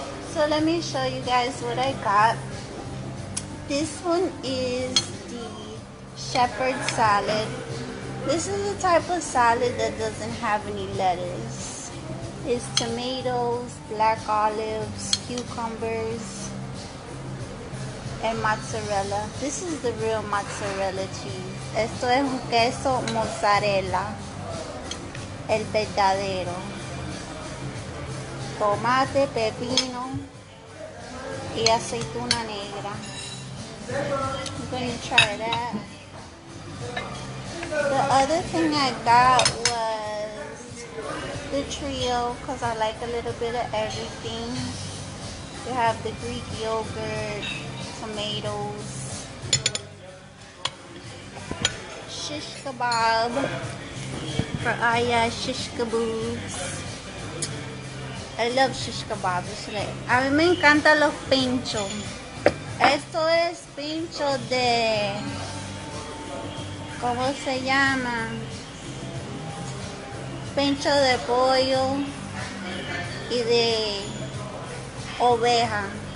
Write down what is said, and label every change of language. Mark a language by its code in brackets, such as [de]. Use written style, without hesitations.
[en] So let me show you guys what I got. This one is the shepherd salad. This is the type of salad that doesn't have any lettuce. It's tomatoes, black olives, cucumbers, and mozzarella. This is the real mozzarella cheese. [es] Esto es un queso mozzarella. El verdadero. Tomate, pepino, y aceituna negra. [en] I'm going to try that. The other thing I got was the trio because I like a little bit of everything. You have the Greek yogurt, tomatoes, shish kebab for Aya shish kabobs. I love shish kebab. It's like, [es] a mí me encanta los pinchos. Esto es pincho de, ¿cómo se llama? Pincho de pollo y de oveja.